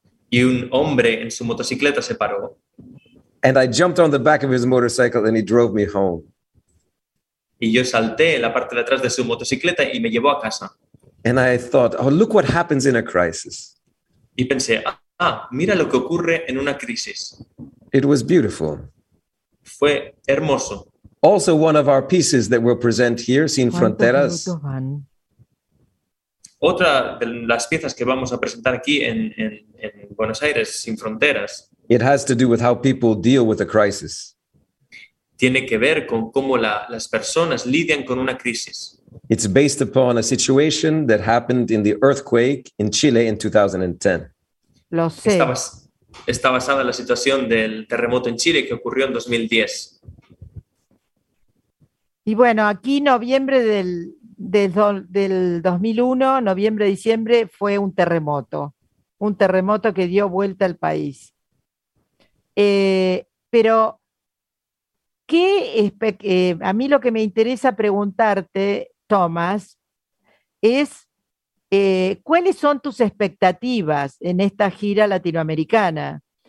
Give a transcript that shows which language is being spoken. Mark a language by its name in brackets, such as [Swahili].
[Spanish] Y un hombre en su motocicleta se paró. [English] And I jumped on the back of his motorcycle and he drove me home. [Spanish] Y yo salté en la parte de atrás de su motocicleta y me llevó a casa. [English] And I thought, oh, look what happens in a crisis. [Spanish] Y pensé, mira lo que ocurre en una crisis. [English] It was beautiful. [Spanish] Fue hermoso. [English] Also one of our pieces that we'll present here, Sin Fronteras. [Spanish] Otra de las piezas que vamos a presentar aquí en Buenos Aires, Sin Fronteras. [English] It has to do with how people deal with a crisis. [Spanish] Tiene que ver con cómo las personas lidian con una crisis. [English] It's based upon a situation that happened in the earthquake in Chile in 2010. [Spanish] Lo sé. Está basada en la situación del terremoto en Chile que ocurrió en 2010. Y bueno, aquí noviembre del 2001, noviembre, diciembre, fue un terremoto. Un terremoto que dio vuelta al país. Pero, ¿qué es, a mí lo que me interesa preguntarte, Tomás, es ¿cuáles son tus expectativas en esta gira latinoamericana?